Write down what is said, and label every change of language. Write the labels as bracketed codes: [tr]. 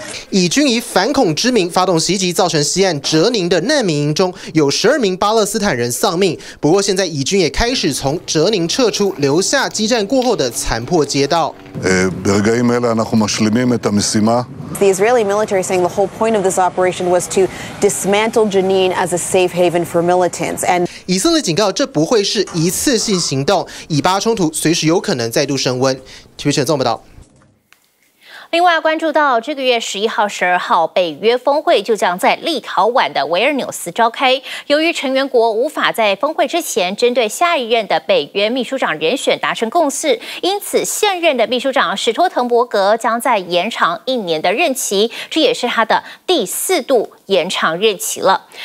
[zh] 以军以反恐之名发动袭击，造成西岸哲宁的难民营中有十二名巴勒斯坦人丧命。不过现在以军也开始从哲宁撤出，留下激战过后的残破街道。 [en] The Israeli military saying the whole point of this operation was to dismantle Jenin as a safe haven for militants. And [zh] 以色列警告，这不会是一次性行动，以巴冲突随时有可能再度升温。 TVBS新闻报道。另外关注到这个月11号、12号，北约峰会就将在立陶宛的维尔纽斯召开。由于成员国无法在峰会之前针对下一任的北约秘书长人选达成共识，因此现任的秘书长史托滕伯格将在延长一年的任期，这也是他的第四度延长任期了。